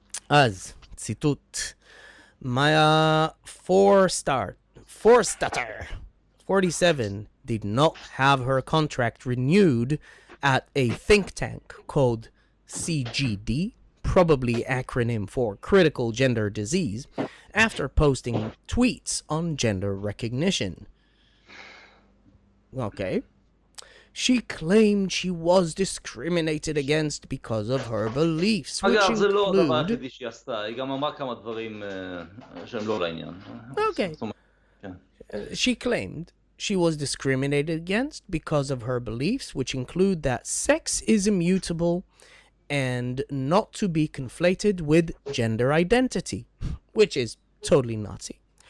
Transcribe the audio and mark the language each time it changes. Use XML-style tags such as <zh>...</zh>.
<he>אז, ציטוט.</he> <en>My four-starter, 47, did not have her contract renewed at a think tank called CGD, probably acronym for Critical Gender Disease, after posting tweets on gender recognition. Okay. She claimed she was discriminated against because of her beliefs, which</en> <he>אגב, אגב, זה לא הדבר היחידי שהיא עשתה, היא גם אמרה כמה דברים שהם לא לעניין.</he> <en>Okay. She claimed she was discriminated against because of her beliefs, which include that sex is immutable and not to be conflated with gender identity, which is totally Nazi.</en>